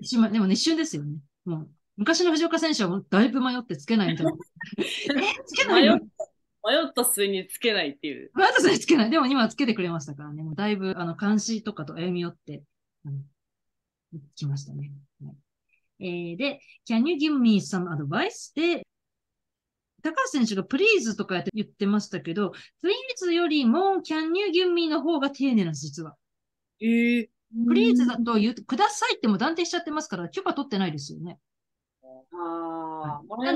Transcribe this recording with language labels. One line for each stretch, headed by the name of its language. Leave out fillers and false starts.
Japanese: 一瞬、でも、ね、一瞬ですよね。もう、昔の藤岡選手はもうだいぶ迷ってつけないみたいな。つけないの？迷った末につけないっていう。まずそれつけない。でも今つけてくれましたからね。もうだいぶ、監視とかと歩み寄って、来ましたね。はい。で、
English: can you give me some advice?
Japanese: で、高橋選手が please とか言ってましたけど、please よりも can you give me の方が丁寧なんです、実は。 please だと言って、くださいっても断定しちゃってますから、許可取ってないですよね。ああ、もらえ